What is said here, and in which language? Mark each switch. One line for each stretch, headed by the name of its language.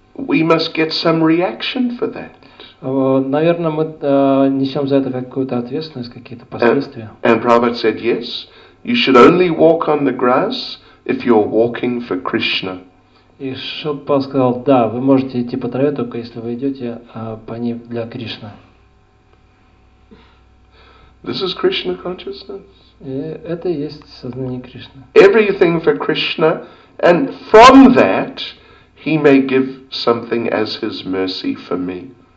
English: We must get some reaction for that.
Russian: Наверное, мы несем за это какую-то ответственность, какие-то последствия.
English: And Prabhupada said, yes, you should only walk on the grass if you're walking for Krishna.
Russian: И Шилпал сказал, да, вы можете идти по траве, только если вы идете по ней для Кришны.
English: This is Krishna consciousness.
Russian: Это и есть сознание Кришны.
English: Everything for Krishna, and from that he may give something as his mercy for me.